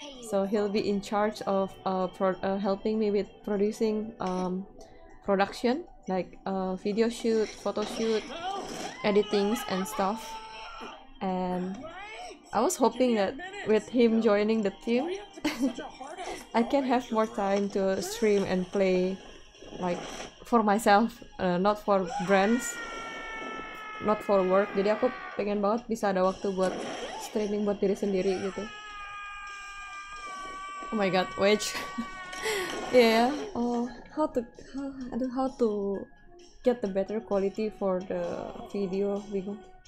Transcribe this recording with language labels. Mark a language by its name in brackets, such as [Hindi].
[English] So he'll be in charge of helping me with producing production, like video shoot, photo shoot, editings and stuff. And I was hoping that with him joining the team, I can have more time to stream and play, like for myself, not for brands, not for work. [Indonesian] Jadi aku pengen banget bisa ada waktu buat streaming buat diri sendiri gitu. [English] Oh my god, which yeah. Oh, how to get the better quality for the video, [Indonesian] bingung.